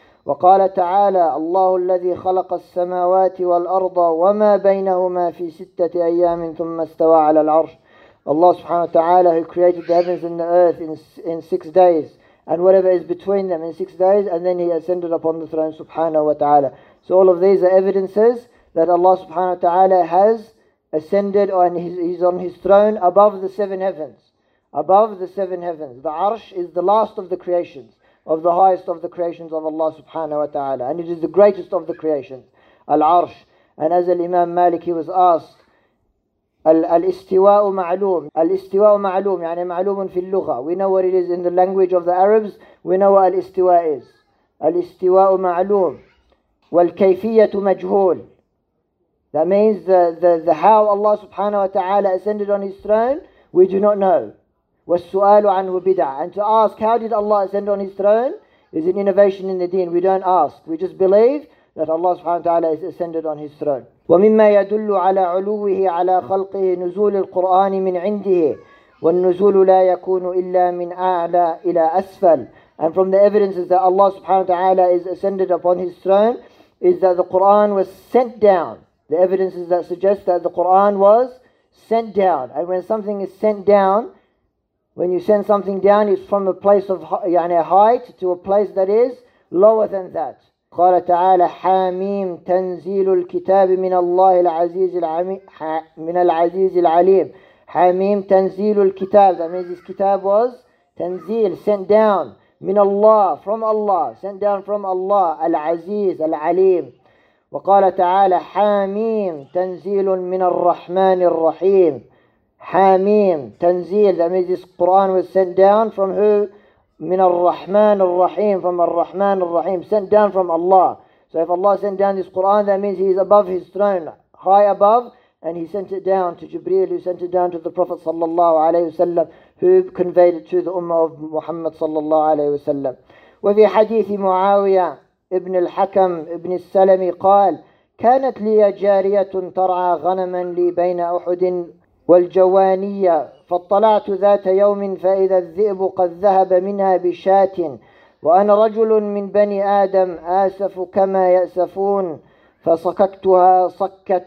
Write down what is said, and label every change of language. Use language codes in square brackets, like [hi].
[ar] وقال تعالى الله الذي خلق السماوات والأرض وما بينهما في ستة أيام ثم استوى على العرش. [en] Allah سبحانه وتعالى, who created the heavens and the earth in 6 days and whatever is between them in 6 days, and then he ascended upon the throne subhanahu wa ta'ala. So all of these are evidences that Allah subhanahu wa ta'ala has ascended and he's on his throne above the seven heavens. Above the seven heavens. The arsh is the last of the creations, of the highest of the creations of Allah subhanahu wa ta'ala. And it is the greatest of the creations, al-arsh. And as al-Imam Malik, he was asked, [ar] الاستواء معلوم الاستواء معلوم يعني معلوم في اللغة. [en] We know what it is in the language of the Arabs. We know what الاستواء is. [ar] الاستواء معلوم والكيفية مجهول. [en] That means the how Allah subhanahu wa ta'ala ascended on his throne, we do not know. [ar] والسؤال عنه بدع. [en] And to ask how did Allah ascend on his throne is an innovation in the deen. We don't ask. We just believe that Allah subhanahu wa ta'ala is ascended on his throne. [ar] ومما يدل على علوه على خلقه نزول القرآن من عنده والنزول لا يكون إلا من أعلى إلى أسفل. [en] And from the evidences that Allah subhanahu wa ta'ala is ascended upon his throne is that the Quran was sent down. The evidences that suggest that the Quran was sent down. And when something is sent down, when you send something down, it's from a place of height to a place that is lower than that. [ar] قال تعالى حاميم تنزيل الكتاب من الله العزيز من العزيز العليم حاميم تنزيل الكتاب. [en] That means this kitab was تنزيل, sent down [ar] من الله, [en] from Allah, sent down from Allah, العزيز العليم. [ar] وقال تعالى حاميم تنزيل من الرحمن الرحيم حاميم تنزيل. [en] That means this Quran was sent down from who? [ar] من الرحمن الرحيم, [en] from الرحمن الرحيم, sent down from Allah. So if Allah sent down this Quran, that means he is above his throne, high above, and he sent it down to Jibreel, who sent it down to the Prophet sallallahu alayhi wasallam, who conveyed it to the ummah of Muhammad sallallahu alayhi wasallam. [ar] وفي حديث معاوية ابن الحكم ابن السلمي قال كانت لي جارية ترعى غنما لي بين أحد والجوانية فاطلعت ذات يوم فإذا الذئب قد ذهب منها بشات وأنا رجل من بني آدم آسف كما يأسفون فصككتها صكة.